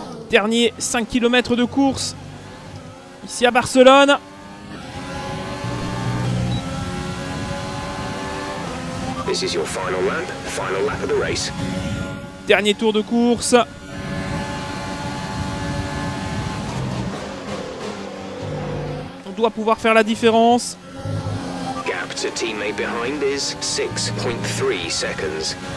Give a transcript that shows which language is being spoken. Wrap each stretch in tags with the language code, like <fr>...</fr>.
<fr>Dernier 5 km de course ici à Barcelone.</fr> <en>This is your final lap of the race.</en> <fr>Dernier tour de course. Doit pouvoir faire la différence.</fr> <en>Gap to teammate behind is 6.3 seconds.</en>